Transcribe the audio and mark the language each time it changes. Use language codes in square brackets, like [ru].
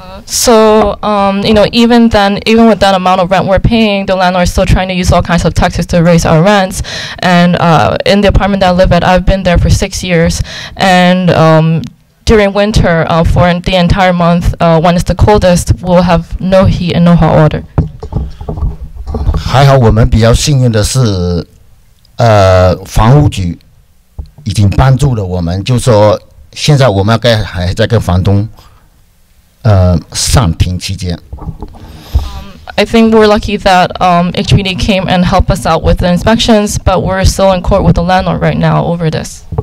[en] with that amount of rent we're paying, the landlord is still trying to use all kinds of tactics to raise our rents. And in the apartment that I live at, I've been there for 6 years. And during winter, for the entire month, when it's the coldest, we'll have no heat and no hot water. [zh] 还好我们比较幸运的是，房屋局已经帮助了我们，就说现在我们还在跟房东上庭期间。 [en] I think we're lucky that HPD came and helped us out with the inspections, but we're still in court with the landlord right now over this.